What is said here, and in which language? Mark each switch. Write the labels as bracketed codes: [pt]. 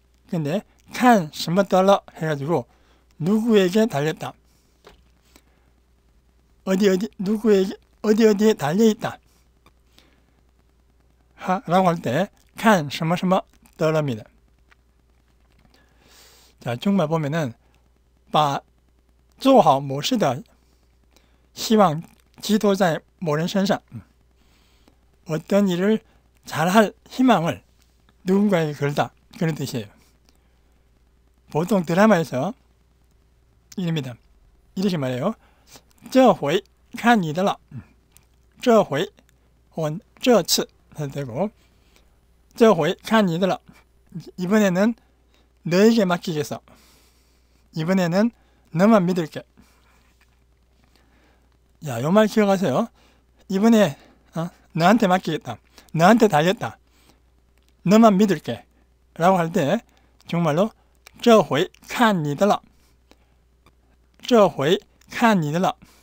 [ko] 근데 칸 [zh] 什么得了 [ko] 해가지고 누구에게 달렸다, 어디에 달려있다 라고 할 때 칸什么什么得了입니다. 자, 중국말 보면은 [zh] 把做好某事的希望寄托在某人身上. [ko] 어떤 일을 잘할 희망을 누군가에게 걸다 그런 뜻이에요. 보통 드라마에서 이릅니다. 이렇게 말해요. [zh] 这回看你的了这回这次这回看你的了. [ko] 이번에는 너에게 맡기겠어. 이번에는 너만 믿을게. 야, 요 말 기억하세요. 이번에 너한테 맡기겠다, 너한테 달렸다, 너만 믿을게 라고 할 때 정말로 [zh] 这回看你的了这回看你的了.